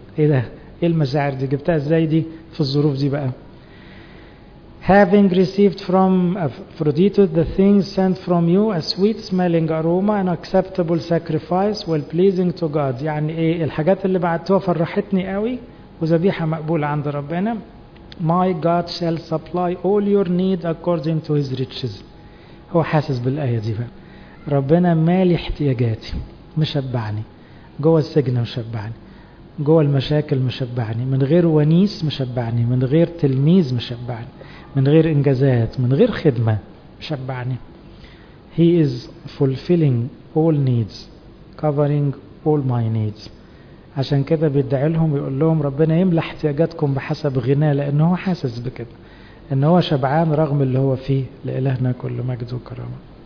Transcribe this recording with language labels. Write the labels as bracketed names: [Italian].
[Arabic] ايه ده؟ ايه المشاعر دي؟ جبتها ازاي دي في الظروف دي بقى؟ [English] Having received from Aphrodite the things sent from you, a sweet smelling aroma, an acceptable sacrifice, well pleasing to God. [Arabic] يعني ايه الحاجات اللي بعتوها فرحتني قوي وذبيحة مقبولة عند ربنا. [English] My God shall supply all your need according to his riches. [Arabic] هو حاسس بالآية دي بقى، ربنا مالي احتياجاتي، مشبعني جوه السجن، مشبعني جوه المشاكل، مشبعني من غير ونيس، مشبعني من غير تلميذ، مشبعني من غير انجازات، من غير خدمة، مشبعني. [English] He is fulfilling all needs, covering all my needs. [Arabic] عشان كده بيدعي لهم ويقول لهم ربنا يملى احتياجاتكم بحسب غناه، لانه هو حاسس بكده، انه هو شبعان رغم اللي هو فيه. لإلهنا كل مجد وكرامه.